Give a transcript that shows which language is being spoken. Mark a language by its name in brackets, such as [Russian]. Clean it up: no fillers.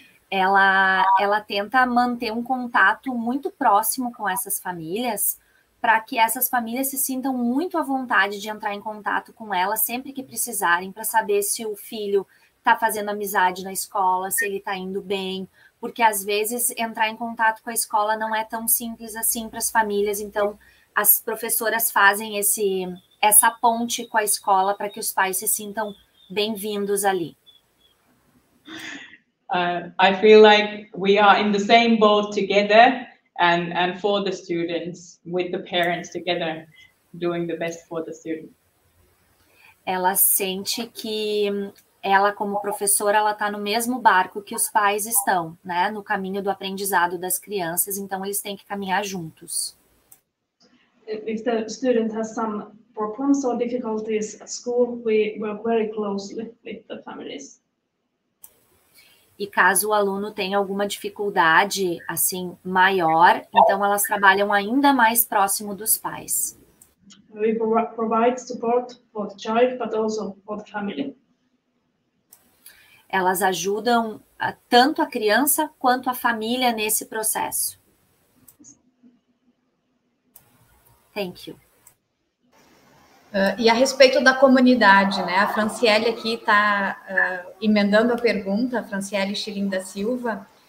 [Portuguese] Ela tenta manter um contato muito próximo com essas famílias para que essas famílias se sintam muito à vontade de entrar em contato com ela sempre que precisarem para saber se o filho está fazendo amizade na escola, se ele está indo bem, porque às vezes entrar em contato com a escola não é tão simples assim para as famílias, então as professoras fazem essa ponte com a escola para que os pais se sintam bem-vindos ali. [English] I feel like we are in the same boat together and for the students, with the parents together, doing the best for the student. [Portuguese] Ela sente que ela, como professora, ela está no mesmo barco que os pais estão, né? No caminho do aprendizado das crianças, então eles têm que caminhar juntos. [English] If the student has some problems or difficulties at school, we work very closely with the families. [Portuguese] E caso o aluno tenha alguma dificuldade, assim, maior, então elas trabalham ainda mais próximo dos pais. [English] We provide support for the child, but also for the family. [Portuguese] Elas ajudam tanto a criança quanto a família nesse processo. [English] Thank you. [Portuguese] E a respeito da comunidade, né? A Franciele aqui está emendando a pergunta, Franciele Schilling da Silva.